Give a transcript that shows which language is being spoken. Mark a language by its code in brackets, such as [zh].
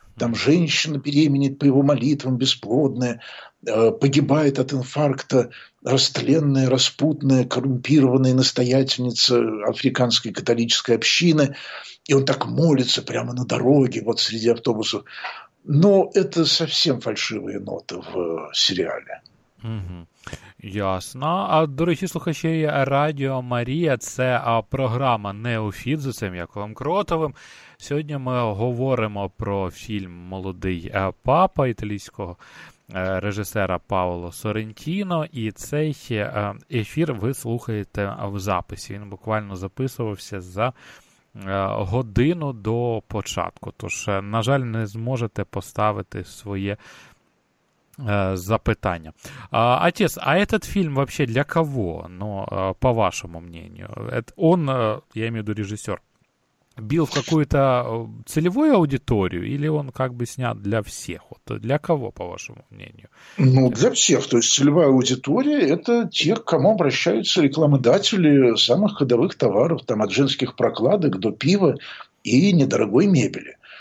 [ru] Там женщина беременеет по его молитвам, бесплодная, погибает от инфаркта растленная, распутная, коррумпированная настоятельница африканской католической общины. И он так молится прямо на дороге, вот среди автобусов. Но это совсем фальшивые ноты в сериале. Ясно. [uk] А, дорогі слухачі, Радіо Марія – це програма «Неофіт» з цим Яковом Кротовим. Сьогодні ми говоримо про фільм «Молодий папа» італійського режисера Паоло Сорентіно. І цей ефір ви слухаєте в записі. Він буквально записувався за годину до початку. Тож, на жаль, не зможете поставити своє запитання. [ru] Отец, а этот фильм вообще для кого? Ну, по вашему мнению. Он, я имею в виду режиссер, бил в какую-то целевую аудиторию или он как бы снят для всех? Вот для кого, по вашему мнению? Ну, для всех. То есть целевая аудитория – это те, к кому обращаются рекламодатели самых ходовых товаров, там от женских прокладок до пива и недорогой мебели.